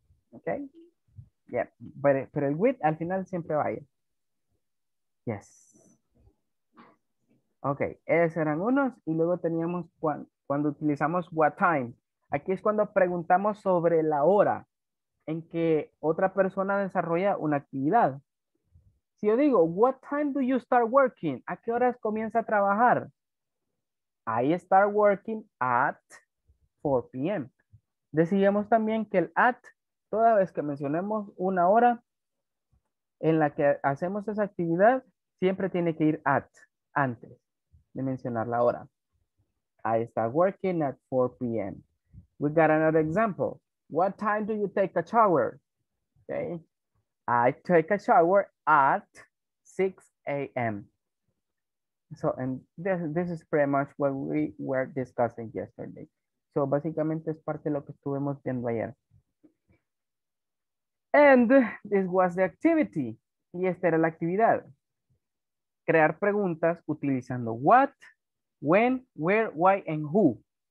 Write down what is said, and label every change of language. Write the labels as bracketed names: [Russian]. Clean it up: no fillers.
[Spanish] Ok. Yeah. Pero el with al final siempre va a ir. Yes. Ok. Esos eran unos. Y luego teníamos cuando utilizamos what time. Aquí es cuando preguntamos sobre la hora en que otra persona desarrolla una actividad. Si yo digo, [English] what time do you start working? [Spanish] ¿A qué horas comienza a trabajar? [English] I start working at 4 p.m. [Spanish] Decidimos también que el at, toda vez que mencionemos una hora en la que hacemos esa actividad, siempre tiene que ir at, antes de mencionar la hora. [English] I start working at 4 p.m. We got another example. What time do you take a shower? Okay. I take a shower at 6 a.m. So, and this is pretty much what we were discussing yesterday. [Spanish] So, básicamente es parte de lo que estuvimos viendo ayer. [English] And this was the activity. [Spanish] Y esta era la actividad. Crear preguntas utilizando what, when, where, why, and who.